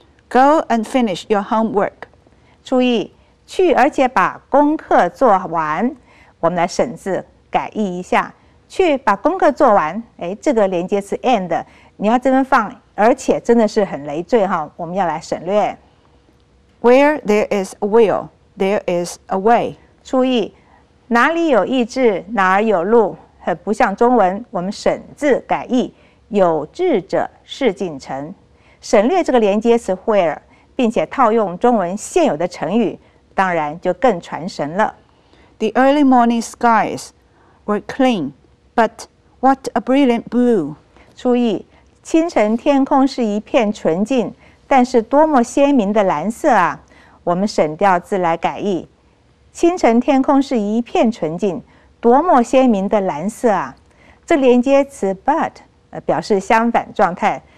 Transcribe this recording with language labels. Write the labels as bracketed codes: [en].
[en] Go and finish your homework。 [zh] 注意，去而且把功课做完，我们来省字改译一下，去把功课做完。这个连接词 and 你要这边放而且，真的是很累赘，我们要来省略。 [en] Where there is a will, there is a way。 [zh] 注意，哪里有意志，哪儿有路，很不像中文，我们省字改译，有志者事竟成。省略这个连接词 where， 并且套用中文现有的成语，当然就更传神了。 [en] The early morning skies were clean, but what a brilliant blue！ [zh] 注意，清晨天空是一片纯净，但是多么鲜明的蓝色啊！我们省掉字来改译，清晨天空是一片纯净，多么鲜明的蓝色啊！这连接词 but 表示相反状态。